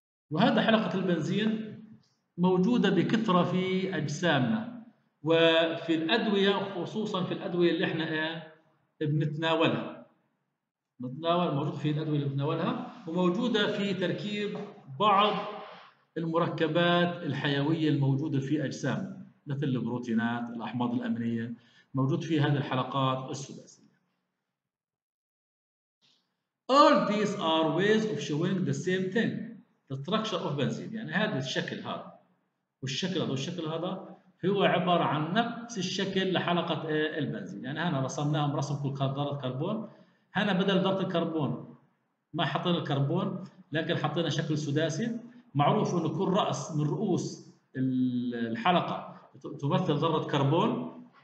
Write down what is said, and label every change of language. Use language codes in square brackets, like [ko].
[ar] وهذا حلقة البنزين موجودة بكثرة في أجسامنا وفي الأدوية، خصوصا في الأدوية اللي احنا بنتناولها، موجود في الأدوية اللي بنتناولها وموجودة في تركيب بعض المركبات الحيوية الموجودة في أجسامنا مثل البروتينات، الأحماض الأمينية، موجود في هذه الحلقات السداسية. [en] All these are ways of showing the same thing, the structure of benzene. [ar] يعني هذا الشكل هذا والشكل هذا والشكل هذا هو عبارة عن نفس الشكل لحلقة البنزين. يعني هنا رسمناهم رسم كل ذرة كربون، هنا بدل ذرة الكربون ما حطينا الكربون لكن حطينا شكل سداسي. معروف أنه كل رأس من رؤوس الحلقة تمثل ذرة كربون.